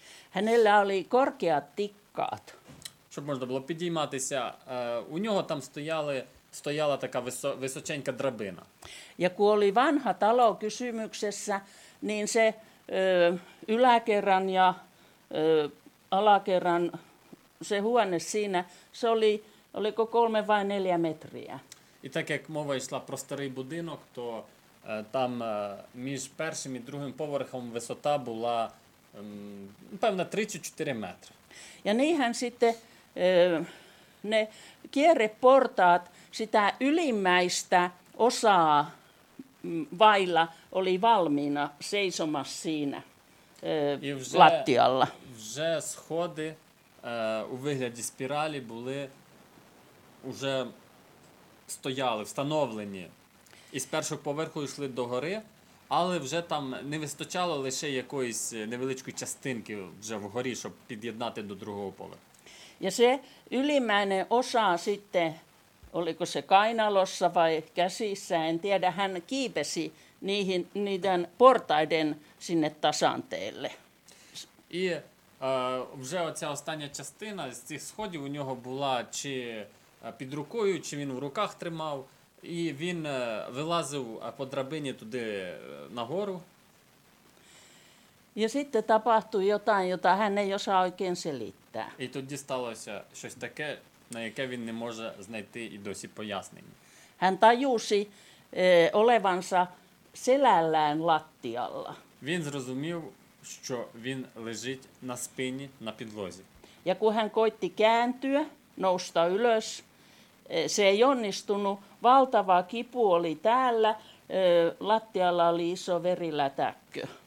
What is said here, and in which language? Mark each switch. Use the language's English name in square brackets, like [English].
[Finnish] Hänellä oli korkeat tikkaat. [Ukrainian] Щоб можна було підійматися, у нього там стояла така височенька драбина. [Finnish] Ja kun oli vanha talo kysymyksessä, niin se yläkerran ja alakerran se huone siinä, se oli, oliko 3 vai 4 metriä. [Ukrainian] І так як мова йшла про старий будинок, то там між першим і другим поверхом висота була певна 3-4 метри. [Finnish] Ja niinhän sitten ne kierreportaat sitä ylimmäistä osaa vailla oli valmiina seisomassa siinä lattialla. [Ukrainian] Вже сходи у вигляді спіралі були уже стояли, встановлені. І з першого поверху йшли до гори, але вже там не вистачало лише якоїсь невеличкої частинки вже вгорі, щоб під'єднати до другого поверху. [Finnish] Ja se ylimmäinen osa sitten, oliko se kainalossa vai käsissä, en tiedä, hän kiipesi niihin, niiden portaiden sinne tasanteelle. [Ukrainian] І вже оця остання частина з цих сходів у нього була чи під рукою, чи він в руках тримав, і він вилазив по драбині туди нагору. [Finnish] Ja sitten tapahtui jotain, jota hän ei osaa oikein selittää. [Ukrainian] І тоді сталося щось таке, на яке він не може знайти і досі пояснення. [Finnish] Hän tajusi olevansa selällään lattialla. [Ukrainian] Він зрозумів, що він лежить на спині, на підлозі. [Finnish] Ja kun hän koitti kääntyä, nousta ylös, se ei onnistunut. Valtava kipu oli täällä, lattialla oli iso verilätäkkö.